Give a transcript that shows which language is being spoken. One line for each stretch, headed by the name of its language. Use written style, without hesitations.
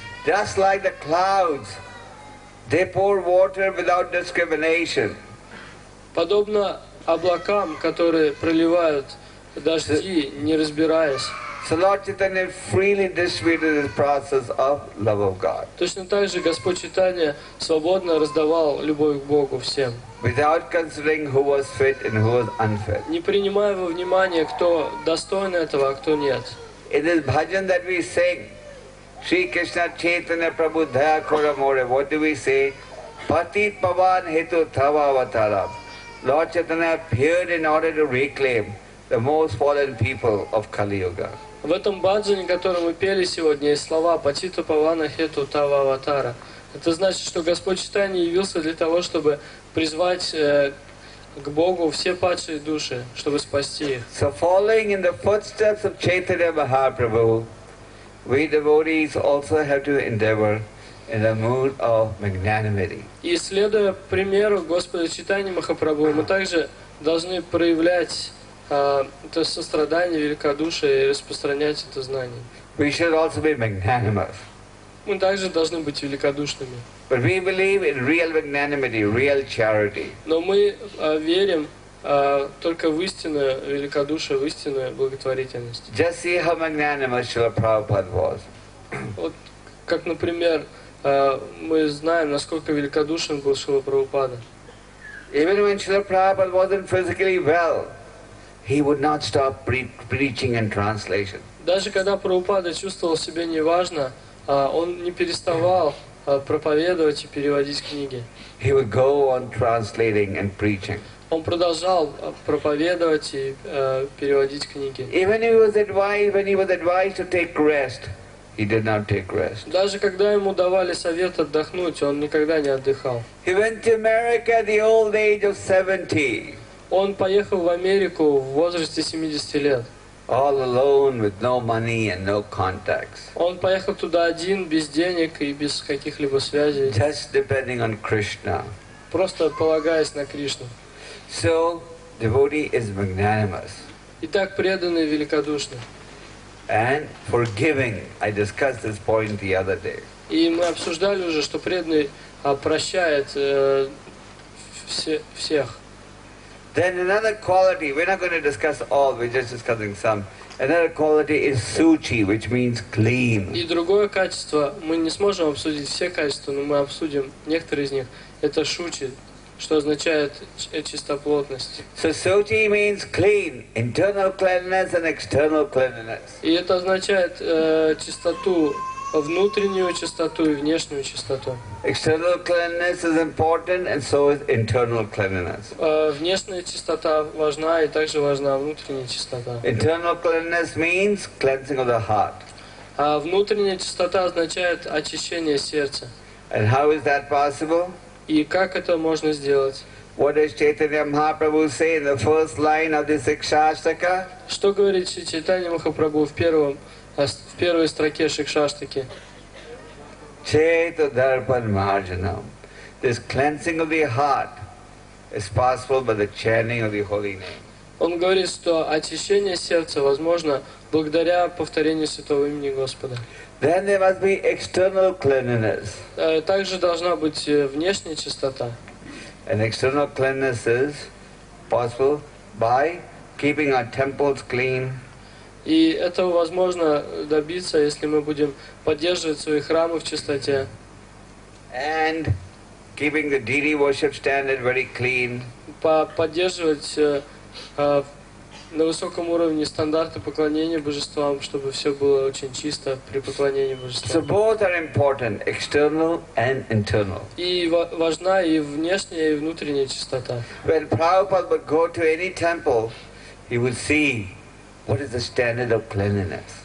English: Just like the clouds, they pour water without discrimination.
Russian: Подобно облакам, которые проливают дожди, не разбираясь.
English: So Lord Chaitanya freely distributed the process of love of God.
Russian: Точно так же Господь Чайтанья свободно раздавал любовь к Богу всем.
English: Without considering who was fit and who was unfit.
Russian: Не принимая во внимание, кто достоин этого, а кто нет.
English: It is bhajan that we sing.
Bangla: Shri Krishna Chaitanya Prabhu Daya Koramore.
English: What do we say?
Bangla: Pati pavan hetu thava avatara.
English: Lord Chaitanya appeared in order to reclaim the most fallen people of Kali Yuga.
Russian: В этом баджане, который мы пели сегодня, есть слова
Bangla: «Патита павана хету тава аватара».
Russian: Это значит, что Господь Чайтанья явился для того, чтобы призвать к Богу все падшие души, чтобы спасти их.
English: So following in the footsteps of Chaitanya Mahaprabhu, we devotees also have to endeavor in the mood of magnanimity.
Russian: И следуя примеру Господа Чайтанья Махапрабху, мы также должны проявлять то сострадание, великодушие и распространять это знание.
English: We should also be magnanimous.
Russian: Мы также должны быть великодушными.
English: But we believe in real magnanimity, real charity.
Russian: Но мы верим только в истинное великодушие, в истинную благотворительность.
English: Just see how magnanimous Srila Prabhupada was.
Russian: Вот, как, например, мы знаем, насколько великодушен был Шрила Прабхупада.
English: Even when Srila Prabhupada wasn't physically well, he would not stop preaching and translation.
Russian: Даже когда Прабхупада чувствовал себя неважно, он не переставал проповедовать и переводить книги.
English: He would go on translating and preaching.
Russian: Он продолжал проповедовать и переводить книги.
English: Even if he was advised, when he was advised to take rest, he did not take rest.
Russian: Даже когда ему давали совет отдохнуть, он никогда не отдыхал.
English: He went to America at the old age of 70.
Russian: Он поехал в Америку в возрасте 70 лет.
English: All alone, with no money and no contacts.
Russian: Он поехал туда один, без денег и без каких-либо связей.
English: Just depending on Krishna.
Russian: Просто полагаясь на Кришну.
English: So, devotee is magnanimous.
Russian: Итак, преданный великодушный.
English: And forgiving. I discussed this point the other day.
Russian: И мы обсуждали уже, что преданный прощает всех.
English: Then another quality, we're not going to discuss all, we're just discussing some. Another quality is suci, which means clean.
Russian: И другое качество, мы не сможем обсудить все качества, но мы обсудим некоторые из них. Это шучи, что означает чистоплотность.
English: So suci means clean, internal cleanliness and external cleanliness.
Russian: И это означает чистоту внутреннюю чистоту и внешнюю чистоту.
English: External cleanliness is important, and so is internal cleanliness.
Russian: Внешняя чистота важна, и также важна внутренняя чистота.
English: Internal cleanliness means cleansing of the heart.
Russian: А внутренняя чистота означает очищение сердца.
English: And how is that possible?
Russian: И как это можно сделать?
English: What does Chaitanya Mahaprabhu say in the first line of this Shikshashtaka?
Russian: Что говорит Чайтанья Махапрабху в первой строке Шикшаштаки?
Sanskrit: Chaita Darpan Marjanam.
English: This cleansing of the heart is possible by the chanting of the holy name.
Russian: Он говорит, что очищение сердца возможно благодаря повторению святого имени Господа.
English: Then there must be external cleanliness.
Russian: Также должна быть внешняя чистота.
English: An external cleanliness is possible by keeping our temples clean.
Russian: И этого возможно добиться, если мы будем поддерживать свои храмы в чистоте.
English: And keeping the deity worship standard very clean.
Russian: Поддерживать на высоком уровне стандарты поклонения божествам, чтобы все было очень чисто при поклонении божествам.
English: So both are important, external and internal.
Russian: И важна и внешняя, и внутренняя чистота.
English: When Prabhupada would go to any temple, he would see what is the standard of cleanliness.